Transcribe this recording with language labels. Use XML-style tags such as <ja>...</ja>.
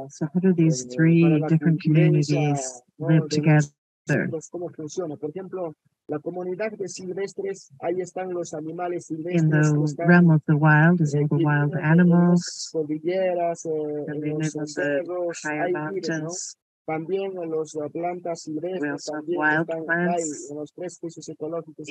<en>So how do these three different communities live together?</en> <es>¿Cómo funciona? Por ejemplo, la comunidad de silvestres, ahí están los animales silvestres.</es> <en>In the realm of the wild, is all the wild animals.</en> <es>Cordilleras, los</es> <en>higher mountains.</en> <es>También los plantas silvestres, también están</es> <en>plants,</en> <es>en los tres pisos ecológicos.</es>